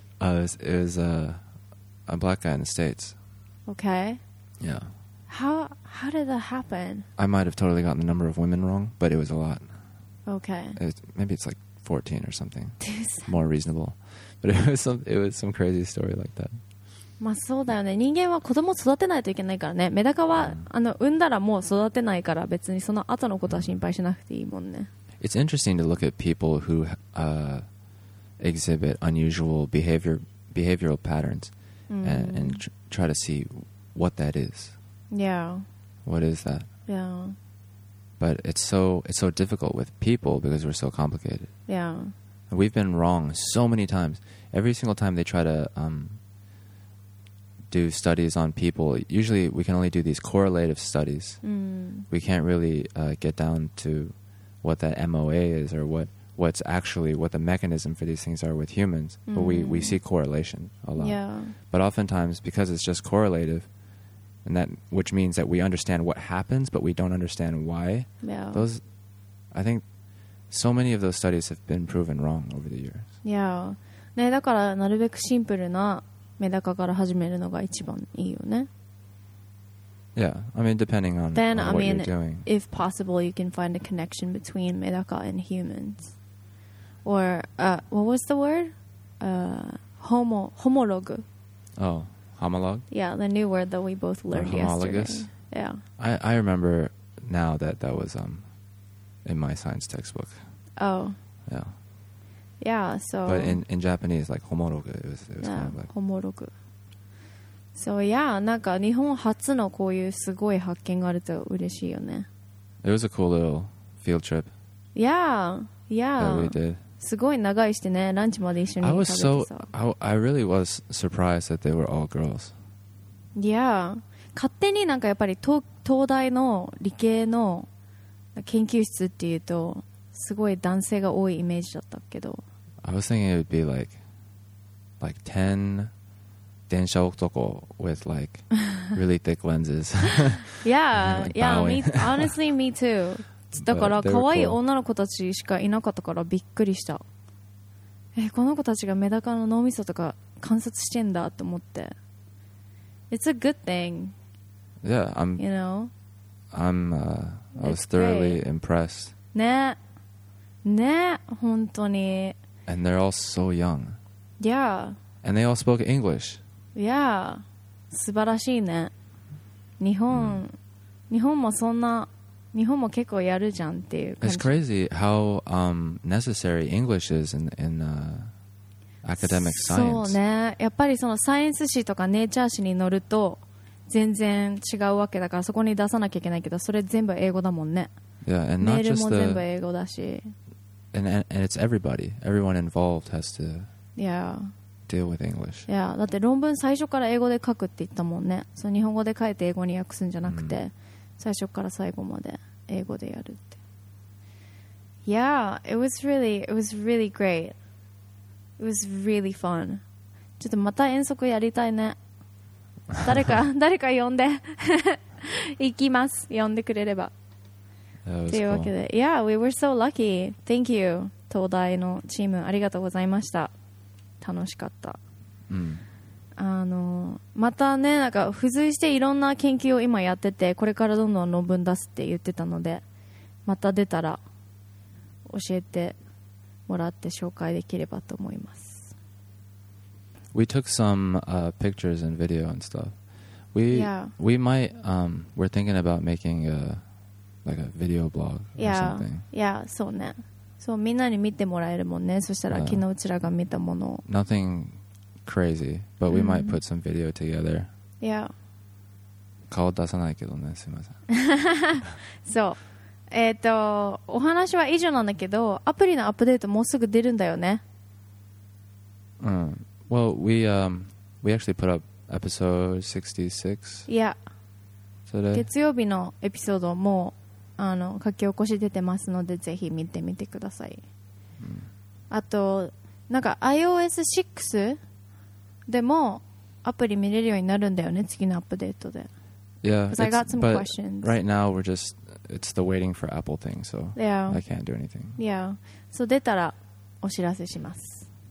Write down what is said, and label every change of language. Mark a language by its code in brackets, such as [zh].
[en] It was a black guy in the States. Okay. Yeah. How did that happen? I might have totally gotten the number of women wrong, but it was a lot. Okay. Maybe it's like 14 or something. 2 cents. More reasonable. But it was some crazy story like that. [ja] まあそうだよね。人間は子供を育てないといけないからね。メダカは、産んだらもう育てないから別にその後のことは心配しなくていいもんね。 [en] It's interesting to look at people who exhibit unusual behavioral patterns and try to see what that is. Yeah. What is that? Yeah. But it's so difficult with people because we're so complicated. Yeah. We've been wrong so many times. Every single time they try to do studies on people, usually we can only do these correlative studies. We can't really get down to what that MOA is or what's actually what the mechanism for these things are with humans. But we see correlation a lot. Yeah. But oftentimes, because it's just correlative, and that which means that we understand what happens but we don't understand why. Yeah. Those, I think so many of those studies have been proven wrong over the years. Yeah. [ja] ね、だからなるべくシンプルなメダカから始めるのが一番いいよね。 [en] Yeah, I mean, depending on then, what I mean, you're doing. If possible, you can find a connection between medaka and humans. Or, what was the word? Homolog. Oh, homolog? Yeah, the new word that we both learned homologous? Yesterday. Yeah. I remember now that was in my science textbook. Oh. Yeah. Yeah, so... But in Japanese, like homolog, it was yeah, kind of like... homolog. [ja] So yeah, なんか日本初のこういうすごい発見があると嬉しいよね。 [en] It was a cool little field trip. Yeah. That we did. [ja] すごい長いしてね、ランチまで一緒に食べてさ。 [en] I really was surprised that they were all girls. Yeah. [ja] 勝手になんかやっぱり東大の理系の研究室っていうとすごい男性が多いイメージだったけど。 [en] I was thinking it would be like 10... 電車男 with like really thick lenses. Yeah, like yeah. Me, honestly, me too. [ja] だから可愛い女の子たちしかいなかったからびっくりした。この子たちがメダカの脳みそとか観察してんだと思って。 [en] It's a good thing. Yeah, I'm. You know. I was thoroughly impressed. [ja] ね、ね、本当に。 [en] And they're all so young. Yeah. And they all spoke English. [ja] Yeah, 素晴らしいね。日本もそんな、日本も結構やるじゃんっていう感じ。 [en] It's crazy how necessary English is in academic science. [ja] そうね。やっぱりそのサイエンス誌とかネイチャー誌に載ると全然違うわけだからそこに出さなきゃいけないけどそれ全部英語だもんね。 [en] Yeah, and not [ja] メールも [en] just [ja] 全部英語だし。 [en] And it's everybody. Everyone involved has to. Yeah. Deal with English. [ja] Yeah, だって論文最初から英語で書くって言ったもんね。その日本語で書いて英語に訳すんじゃなくて、最初から最後まで英語でやるって。 [en] Yeah, it was really great. It was really fun. [ja] ちょっとまた遠足やりたいね。誰か呼んで行きます。呼んでくれれば。っていうわけで、 [en] Yeah, we were so lucky. Thank you, [ja] 東大のチームありがとうございました。楽しかった、またねなんか付随していろんな研究を今やっててこれからどんどん論文出すって言ってたのでまた出たら教えてもらって紹介できればと思います [en] We took some pictures and video and stuff we,、 yeah. we might we're thinking about making a like a video blog or something. [ja] Yeah, そうね。そう、みんなに見てもらえるもんね。そしたら、昨日うちらが見たもの。 [en] Nothing crazy, but we might put some video together. Yeah. [ja] 顔出さないけどね、すいません。そう。お話は以上なんだけど、アプリのアップデートもうすぐ出るんだよね。 [en] うん。Well, we actually put up episode 66. Yeah. Today. [ja] 月曜日のエピソードも、書き起こし出てますので、ぜひ見てみてください。あと、なんか iOS 6 でもアプリ見れるようになるんだよね、次のアップデートで。 [en] Yeah, I got some but questions. Right now, we're just, it's the waiting for Apple thing, so I can't do anything. Yeah. [ja] So, 出たらお知らせします。